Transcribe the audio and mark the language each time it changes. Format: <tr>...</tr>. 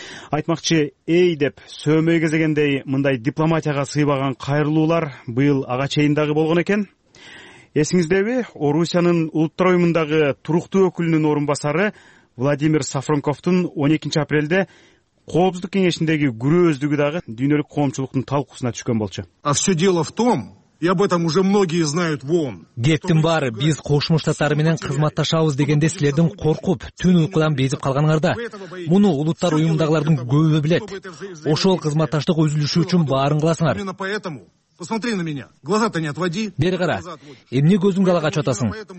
<ky>Айтмакчы, эй деп сөөмөй кезегендей мындай дипломатияга сыйбаган кайрылуулар быйыл ага чейин дагы болгон экен. Эсиңиздеби, Орусиянын Улуттар уюмундагы туруктуу өкүлүнүн орун басары Владимир Сафронковдун 12 апрелде коопсуздук кеңешиндеги күрөздүгү дагы дүйнөлүк коомчулуктун талкуусуна түшкөн болчу.</ky> <ru>А все дело в том, и об этом уже многие знают в ООН.</ru> <ky>Кептин баары биз Кошмо Штаттар менен кызматташабыз дегенде силердин коркуп, түн уйкудан безип калганыңарда. Муну улуттар уюмундагылардын көбү билет. Ошол кызматташтык үзүлүшү үчүн баарын кыласыңар.</ky> <ru>Посмотри на меня. Глаза-то не отводи.</ru> <ky>Бери кара. Эмне көзүң гала качып атасың?</ky>